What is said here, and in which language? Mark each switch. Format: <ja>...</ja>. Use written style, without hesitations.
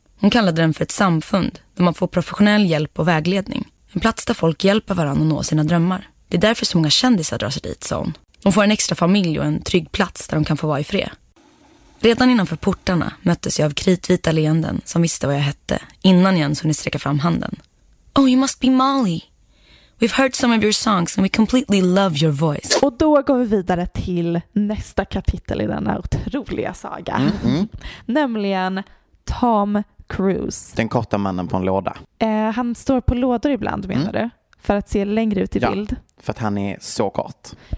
<sv>Hon kallade den för ett samfund där man får professionell hjälp och vägledning. En plats där folk hjälper varandra att nå sina drömmar. Det är därför så många kändisar drar sig dit, sa hon. De får en extra familj och en trygg plats där de kan få vara i fred. Redan innanför portarna möttes jag av kritvita leenden som visste vad jag hette, innan jag ens hunnit sträcka fram handen.</sv> <en>Oh, you must be Molly. We've heard some of your songs and we completely love your voice.</en> <sv>Och då går vi vidare till nästa kapitel i denna otroliga saga. Mm-hmm. Nämligen Tom Cruise. Den korta mannen på en låda. Han står på lådor ibland, menar du? För att se längre ut i bild. För att han är så kort.</sv>